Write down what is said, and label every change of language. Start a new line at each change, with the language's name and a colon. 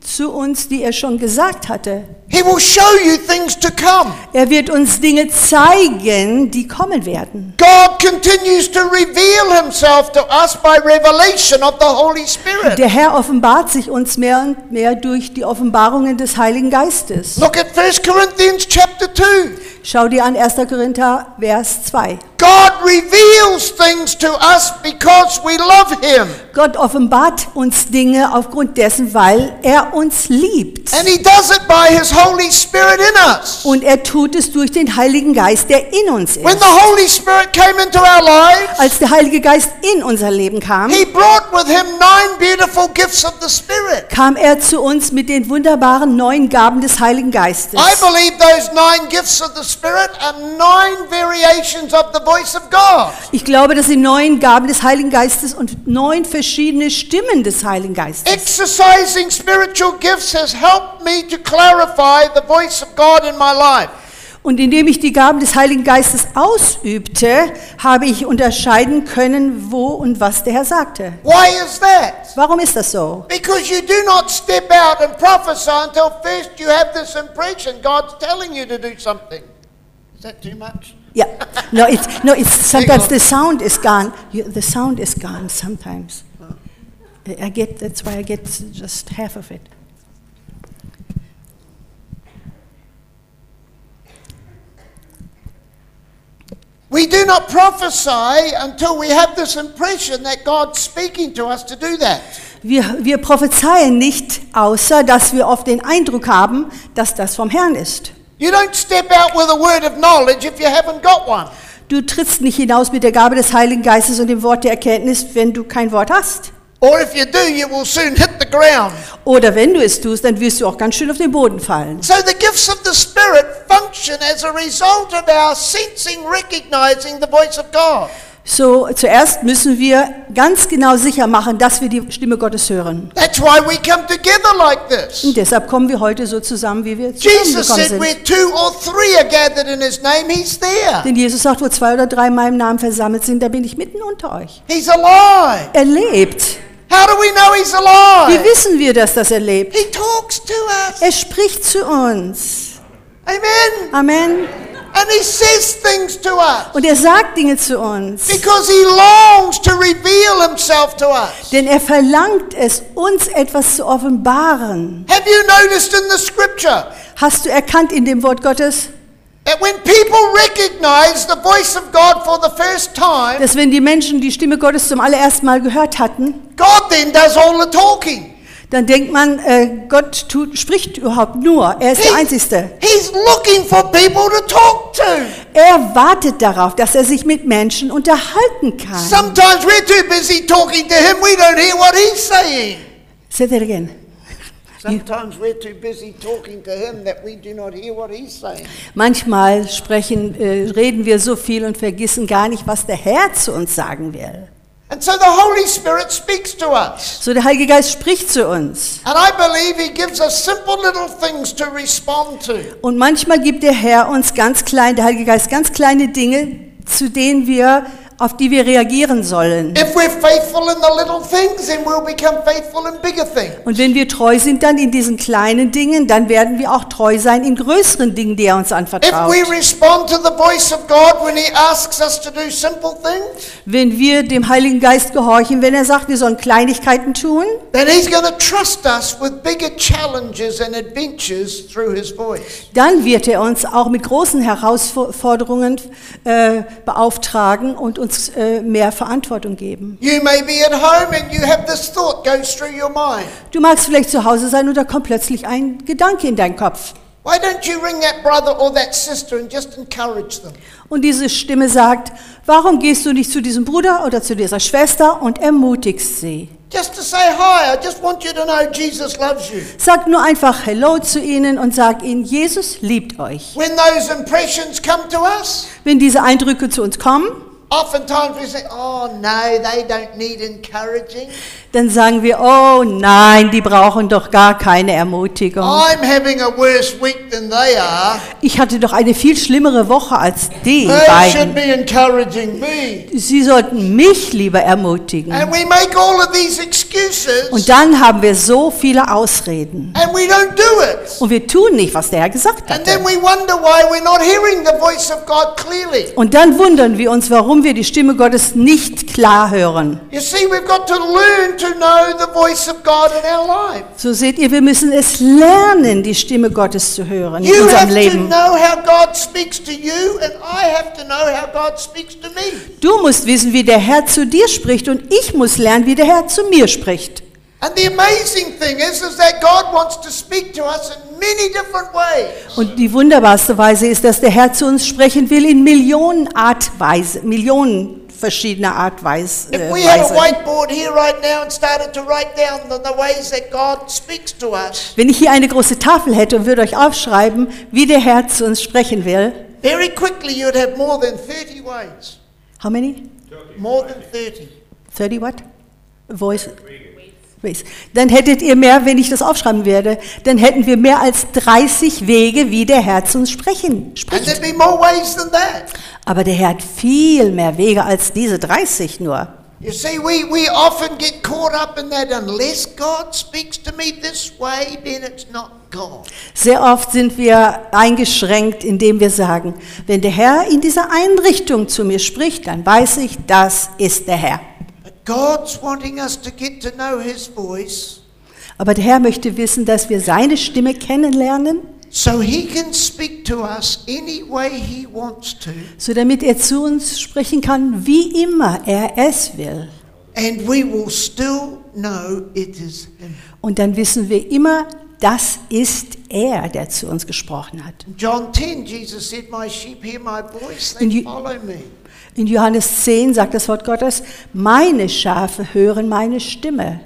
German: zu uns, die er schon gesagt hatte.
English: He will show you things to come.
German: Er wird uns Dinge zeigen, die kommen werden.
English: God continues to reveal himself to us by revelation of the Holy Spirit.
German: Der Herr offenbart sich uns mehr und mehr durch die Offenbarungen des Heiligen Geistes.
English: Look at 1 Corinthians chapter 2.
German: Schau dir an 1. Korinther Vers 2.
English: God reveals things to us because we love him.
German: Gott offenbart uns Dinge aufgrund dessen, weil er uns liebt.
English: And he does it by his Holy Spirit in us.
German: Und er tut es durch den Heiligen Geist, der in uns ist.
English: When the Holy Spirit came into our lives,
German: als der Heilige Geist in unser Leben kam,
English: he brought with him 9 beautiful gifts of the Spirit.
German: Kam er zu uns mit den wunderbaren 9 Gaben des Heiligen Geistes.
English: I believe those 9 gifts of the Spirit are 9 variations of the voice of God.
German: Ich glaube, dass die 9 Gaben des Heiligen Geistes und 9 verschiedene Stimmen des Heiligen Geistes.
English: Exercising spiritual gifts has helped me to clarify the voice of God in my life.
German: Und indem ich die Gaben des Heiligen Geistes ausübte, habe ich unterscheiden können, wo und was der Herr sagte.
English: Why is that?
German: Warum ist das so?
English: Because you do not step out and prophesy until first you have this impression God's telling you to do something. Is that too much? Yeah. No, it's sometimes the sound is gone. The sound is gone sometimes. That's why I get just half of it. We do not prophesy until we have this impression that God's speaking to us to do that.
German: Wir prophezeien nicht, außer dass wir oft den Eindruck haben, dass das vom Herrn ist.
English: You don't step out with a word of knowledge if you haven't got one.
German: Du trittst nicht hinaus mit der Gabe des Heiligen Geistes und dem Wort der Erkenntnis, wenn du kein Wort hast.
English: Or if you do, you will soon hit the ground.
German: Oder wenn du es tust, dann wirst du auch ganz schön auf den Boden fallen.
English: So the gifts of the Spirit function as a result of our sensing, recognizing the voice of God.
German: So zuerst müssen wir ganz genau sicher machen, dass wir die Stimme Gottes hören.
English: That's why we come together like this.
German: Und deshalb kommen wir heute so zusammen, wie wir zusammengekommen sind.
English: Jesus said, where two or three are gathered in his name, he's there.
German: Denn Jesus sagt, wo 2 oder 3 in meinem Namen versammelt sind, da bin ich mitten unter euch.
English: He's alive.
German: Er lebt.
English: How do we know he's alive?
German: Wie wissen wir, dass das er lebt?
English: He talks to us.
German: Er spricht zu uns.
English: Amen.
German: Amen.
English: And he says things to us.
German: Und er sagt Dinge zu uns.
English: Because he longs to reveal himself to us.
German: Denn er verlangt es, uns etwas zu offenbaren.
English: Have you noticed in the scripture?
German: Hast du erkannt in dem Wort Gottes?
English: That when people recognize the voice of God for the first time.
German: Dass wenn die Menschen die Stimme Gottes zum allerersten Mal gehört hatten.
English: God then does all the talking.
German: Dann denkt man, Gott spricht überhaupt nur. Er ist der Einzige.
English: He's looking for people to talk to.
German: Er wartet darauf, dass er sich mit Menschen unterhalten kann.
English: Sometimes we're too busy talking to him, we don't hear what he's saying. Say that again. Sometimes we're too busy talking to him that we do not hear what he's saying.
German: Manchmal reden wir so viel und vergessen gar nicht, was der Herr zu uns sagen will.
English: And so the Holy Spirit speaks to us.
German: So der Heilige Geist spricht zu uns.
English: And I believe he gives us simple little things to respond to.
German: Und manchmal gibt der Herr uns der Heilige Geist ganz kleine Dinge, auf die wir reagieren sollen.
English: If we're faithful in the little things, then we'll become faithful in bigger things.
German: Und wenn wir treu sind dann in diesen kleinen Dingen, dann werden wir auch treu sein in größeren Dingen, die er uns anvertraut.
English: If we respond to the voice of God when he asks us to do simple things,
German: wenn wir dem Heiligen Geist gehorchen, wenn er sagt, wir sollen Kleinigkeiten tun,
English: then he's going to trust us with bigger challenges and adventures through his voice.
German: Dann wird er uns auch mit großen Herausforderungen beauftragen und uns mehr Verantwortung geben.
English: You may be at home and you have this thought go through your mind.
German: Du magst vielleicht zu Hause sein und da kommt plötzlich ein Gedanke in deinen Kopf.
English: Why don't you ring that brother or that sister and just encourage them?
German: Und diese Stimme sagt, warum gehst du nicht zu diesem Bruder oder zu dieser Schwester und ermutigst sie?
English: Just to say hi, I just want you to know Jesus loves you.
German: Sag nur einfach hello zu ihnen und sag ihnen, Jesus liebt euch.
English: When those impressions come to us,
German: wenn diese Eindrücke zu uns kommen,
English: Oftentimes we say, oh no, they don't need encouraging.
German: Dann sagen wir, oh nein, die brauchen doch gar keine Ermutigung.
English: I'm having a worse week than they are.
German: Ich hatte doch eine viel schlimmere Woche als die
English: they
German: beiden.
English: Should be encouraging me.
German: Sie sollten mich lieber ermutigen.
English: And we make all of these excuses.
German: Und dann haben wir so viele Ausreden.
English: And we don't do it.
German: Und wir tun nicht, was der Herr gesagt hat.
English: And then we wonder why we're not hearing the voice of God clearly.
German: Und dann wundern wir uns, warum wir die Stimme Gottes nicht klar hören.
English: You see, we've got to learn to know the voice of God in our life.
German: So seht ihr, wir müssen es lernen, die Stimme Gottes zu hören in unserem Leben.
English: You have to know how God speaks to you, and I have to know how God speaks to me.
German: Du musst wissen, wie der Herr zu dir spricht, und ich muss lernen, wie der Herr zu mir spricht.
English: And the amazing thing is that God wants to speak to us in many different ways.
German: Und die wunderbarste Weise ist, dass der Herr zu uns sprechen will in Millionen Art Weise, Millionen verschiedene Art Weise.
English: If we had a whiteboard here right now and started to write down the ways that God speaks to us.
German: Wenn ich hier eine große Tafel hätte und würde euch aufschreiben, wie der Herr zu uns sprechen will.
English: Very quickly you'd have more than 30 ways. How many? More than 30. 30 what? Voice.
German: Dann hättet ihr mehr, wenn ich das aufschreiben werde, dann hätten wir mehr als 30 Wege, wie der Herr zu uns spricht.
English: And there'd be more ways than that.
German: Aber der Herr hat viel mehr Wege als diese 30 nur.
English: You see, we often get caught up in that unless God speaks to me this way, then it's not.
German: Sehr oft sind wir eingeschränkt, indem wir sagen, wenn der Herr in dieser einen Richtung zu mir spricht, dann weiß ich, das ist der Herr.
English: God's wanting us to get to know his voice.
German: Aber der Herr möchte wissen, dass wir seine Stimme kennenlernen.
English: So he can speak to us any way he wants to.
German: So damit er zu uns sprechen kann, wie immer er es will.
English: And we will still know it is him.
German: Und dann wissen wir immer, das ist er, der zu uns gesprochen hat.
English: John 10, Jesus said, my sheep hear my voice, they follow me.
German: In Johannes 10 sagt das Wort Gottes, meine Schafe hören meine Stimme.